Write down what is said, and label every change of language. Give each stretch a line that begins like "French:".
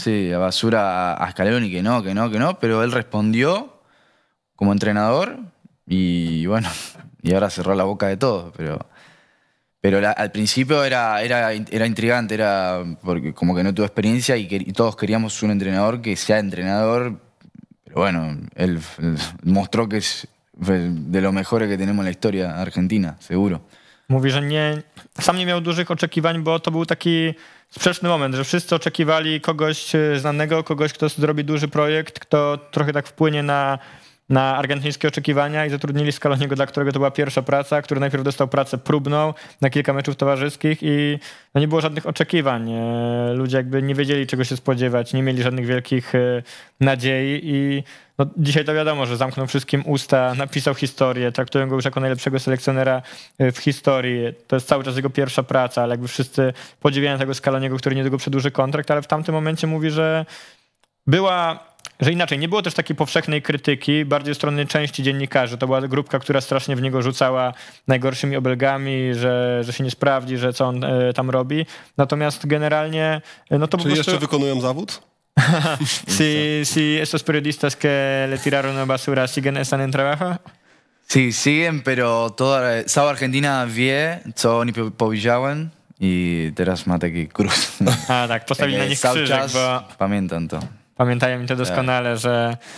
Spanish: La basura a Scaloni, que no, pero él respondió como entrenador y bueno, y ahora cerró la boca de todos, pero al principio era intrigante, era porque como que no tuvo experiencia y todos queríamos un entrenador que sea entrenador, pero bueno, él mostró que es de los mejores que tenemos en la historia Argentina, seguro.
Polish: Mówi, że sam nie miał dużych oczekiwań, bo to był taki sprzeczny moment, że wszyscy oczekiwali kogoś znanego, kogoś, kto zrobi duży projekt, kto trochę tak wpłynie na, na argentyńskie oczekiwania i zatrudnili Scaloniego, dla którego to była pierwsza praca, który najpierw dostał pracę próbną na kilka meczów towarzyskich i no nie było żadnych oczekiwań. Ludzie jakby nie wiedzieli, czego się spodziewać, nie mieli żadnych wielkich nadziei i no dzisiaj to wiadomo, że zamknął wszystkim usta, napisał historię, traktują go już jako najlepszego selekcjonera w historii. To jest cały czas jego pierwsza praca, ale jakby wszyscy podziwiają tego Scaloniego, który niedługo przedłuży kontrakt, ale w tamtym momencie mówi, że była... Że inaczej, nie było też takiej powszechnej krytyki, bardziej ze strony części dziennikarzy. To była grupka, która strasznie w niego rzucała najgorszymi obelgami, że się nie sprawdzi, że co on tam robi. Natomiast generalnie... No to czy po prostu... jeszcze wykonują zawód?
Spanish: Si, si, esos periodistas que le tiraron a basura siguen están en trabajo? Si, siguen, pero toda
Polish: cała Argentina wie, co oni powiedziałem. I teraz ma taki krus. A tak, postawili na nich krzyżek, bo... Pamiętam to. Pamiętają mi to doskonale, że...